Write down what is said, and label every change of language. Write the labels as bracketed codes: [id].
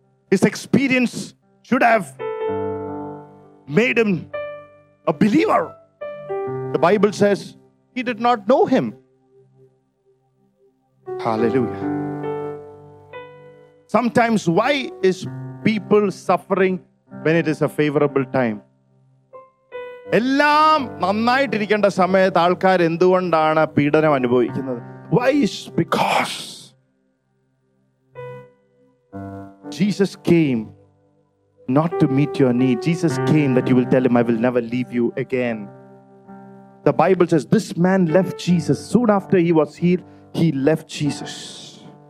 [en] His experience should have made him a believer. The Bible says he did not know him. Hallelujah. Sometimes why is people suffering when it is a favorable time? [ml] എല്ലാം നന്നായിട്ടിരിക്കേണ്ട സമയത്ത് ആൾക്കാർ എന്തുകൊണ്ടാണ് പീഡനം അനുഭവിക്കുന്നത്? [en] Why is because Jesus came not to meet your need. Jesus came that you will tell him, I will never leave you again. The Bible says this man left Jesus. Soon after he was healed, he left Jesus.